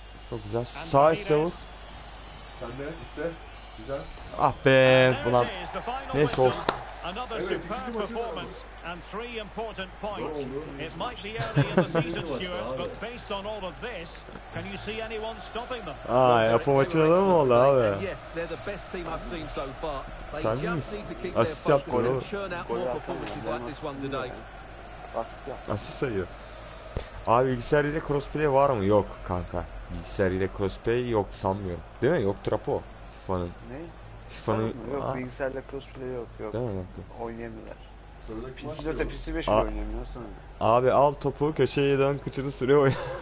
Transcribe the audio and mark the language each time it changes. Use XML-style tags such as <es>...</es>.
<tr>Çok güzel. Sağ iste Uğur. Sen de iste. Güzel. Ah be. Ulan. Neyse olsun.</tr> <en>Another evet, superb performance and three important points. It might be early in the season, Stuart, but based on all of this, can you see anyone stopping them?</en> <tr>Ah, yapma maçını mı oldu abi?</tr> <en>Yes, they're the best team I've seen so far. They just need to keep their focus and churn out more performances like this one today.</en> <tr>Nasıl sayıyor? Abi bilgisayar ile crossplay var mı? Yok kanka. Bilgisayar ile crossplay yok sanmıyorum. Değil mi? Yok trapo. FIFA'nın. Ne? FIFA'nın... Yok, aa, bilgisayarda crossplay yok, yok. Değil mi? Yaptım. Oynayamıyorlar. PC4'e PC5 mi oynayamıyor sanırım. Abi al topu, köşeye dön, kıçını sürüyor oyna.</tr>